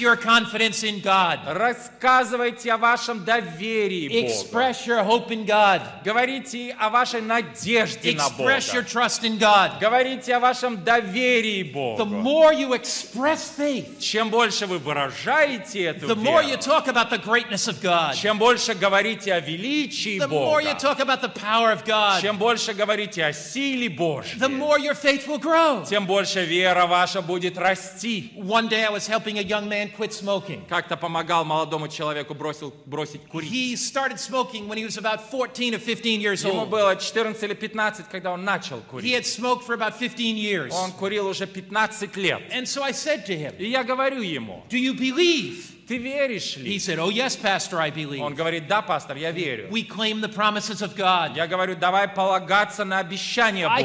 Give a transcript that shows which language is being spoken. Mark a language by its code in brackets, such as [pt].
[en] Express your confidence in God. [ru] Рассказывайте о вашем доверии Богу. [en] Express your hope in God. [ru] Говорите о вашей надежде [en] express [ru] на Бога. [en] Express your trust in God. [ru] Говорите о вашем доверии Богу. [en] The more you express faith, [ru] чем больше вы выражаете эту веру, [en] the more you talk about the greatness of God, [ru] чем больше говорите о величии [en] the [ru] Бога, [en] the more you talk about the power of God, [ru] чем больше говорите о силе Божьей, [en] the more your faith will grow, [ru] тем больше вера ваша будет расти. [en] One day I was helping a young man quit smoking. [ru] Как-то помогал молодому человеку бросить курить. [en] He started smoking when he was about 14 or 15 years old. [ru] Ему было 14 или 15, когда он начал курить. [en] He had smoked for about 15 years. [ru] Он курил уже 15 лет. [en] And so I said to him, [ru] и я говорю ему, [en] do you believe? [ru] Ты веришь ли? [en] He said, oh yes, pastor, I believe. [ru] Он говорит, да, пастор, я верю. [en] We claim the promises of God. [ru] Я говорю, давай полагаться на обещания Божьи.